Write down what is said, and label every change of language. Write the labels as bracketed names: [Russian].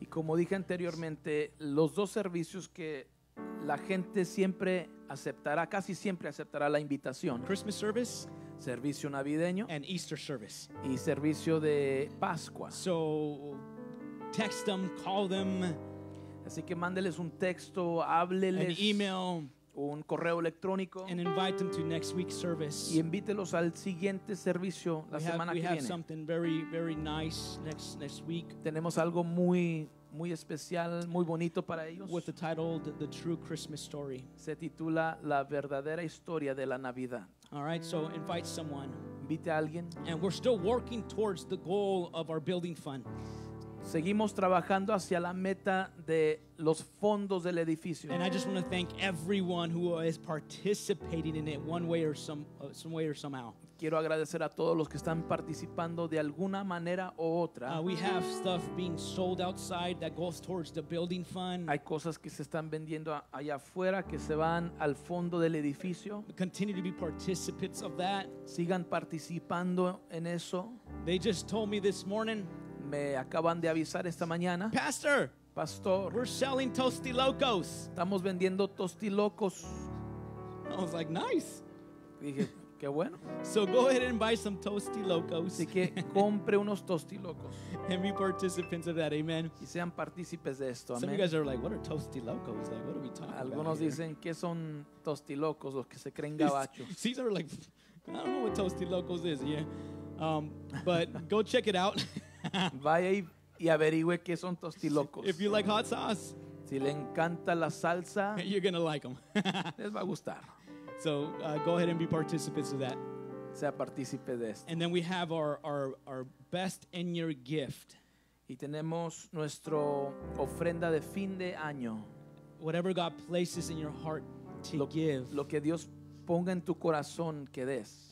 [Spanish] Y como dije anteriormente, los dos servicios que la gente siempre aceptará, casi siempre aceptará la invitación. [English] Christmas service, [Spanish] servicio navideño, [English] and Easter service, [Spanish] y servicio de Pascua. [English] So text them, call them. [Spanish] Así que mándeles un texto, hábleles, [English] an email, [Spanish] un correo electrónico, [English] and invite them to next week's service. [Spanish] Y invítelos al siguiente servicio la semana que viene. [English] We have something very, very nice next week. [Spanish] Tenemos algo muy, muy especial, muy bonito para ellos. [English] With the title "The True Christmas Story." [Spanish] Se titula La Verdadera Historia de la Navidad. [English] All right, so invite someone. [Spanish] Invite a alguien. [English] And we're still working towards the goal of our building fund. [Spanish] Seguimos trabajando hacia la meta de los fondos del edificio. [English] And I just want to thank everyone who is participating in it one way or somehow. [Spanish] Quiero agradecer a todos los que están participando de alguna manera o otra. [English] We have stuff being sold outside that goes towards the building fund. [Spanish] Hay cosas que se están vendiendo allá afuera que se van al fondo del edificio. [English] Continue to be participants of that. [Spanish] Sigan participando en eso. [English] They just told me this morning. [Spanish] Me acaban de avisar esta mañana. [English] Pastor, [Spanish] pastor, [English] we're selling Tosti Locos. [Spanish] Estamos vendiendo Tosti Locos. [English] I was like, nice. [Spanish] Dije, qué bueno. [English] So go ahead and buy some Tosti Locos. [Spanish] Así que compre unos Tosti Locos. [English] And be participants of that, amen. [Spanish] Y sean partícipes de esto, amen. [English] Some of you guys are like, what are Tosti Locos? Like, what are we talking about? [Spanish] Algunos dicen que son Tosti Locos, los que se creen gabachos. [English] These are like, I don't know what Tosti Locos is, yeah. But go check it out. [Spanish] Vaya y averigüe qué son tostilocos. [English] If you like hot sauce, [Spanish] si le encanta la salsa, [English] you're gonna like them. [Spanish] Les va a gustar. [English] So go ahead and be participants of that. [Spanish] Sea partícipe de esto. [English] And then we have our best in your gift. [Spanish] Y tenemos nuestro ofrenda de fin de año. [English] Whatever God places in your heart to give. [Spanish] Lo que Dios ponga en tu corazón que des.